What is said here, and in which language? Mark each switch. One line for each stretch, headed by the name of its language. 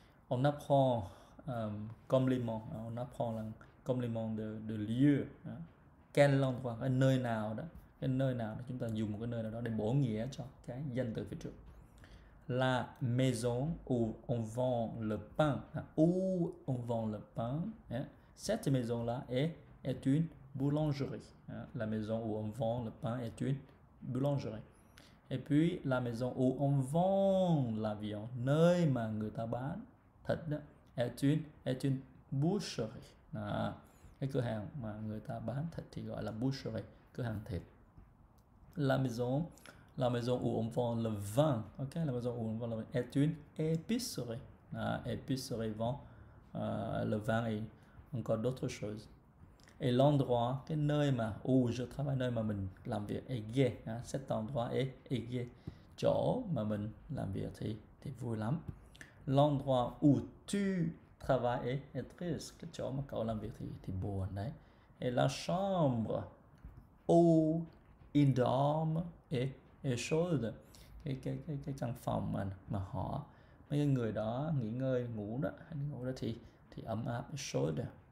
French: On apprend comme les mots, hein, on apprend là, comme les mots de lieu. Hein. Quel endroit, un
Vietnamese: nơi nào đó, cái nơi nào đó, chúng ta dùng một cái nơi nào đó để bổ nghĩa cho cái danh từ phía trước.
French: La maison où on vend le pain, hein, où on vend le pain, hein. Cette maison-là est une boulangerie. Hein. La maison où on vend le pain est une boulangerie. Et puis la maison où on vend la viande,
Vietnamese: nơi mà người ta bán thịt đó,
French: est une boucherie.
Vietnamese: À, cái cửa hàng mà người ta bán thịt thì gọi là boucherie, cửa hàng thịt.
French: La maison où on vend le vin, ok, la maison où on vend le vin est une épicerie. À, épicerie vend le vin et encore d'autres choses. Et l'endroit,
Vietnamese: cái nơi mà
French: où je travaille,
Vietnamese: nơi mà mình làm việc,
French: est gay. À, cet endroit est gay.
Vietnamese: Chỗ mà mình làm việc thì vui lắm.
French: L'endroit où tu travailles est triste.
Vietnamese: Chỗ mà cậu làm việc thì buồn đấy.
French: Et la chambre où il dorme est chaude.
Vietnamese: Cái căn phòng mấy người đó nghỉ ngơi, ngủ đó thì ấm áp, chaude.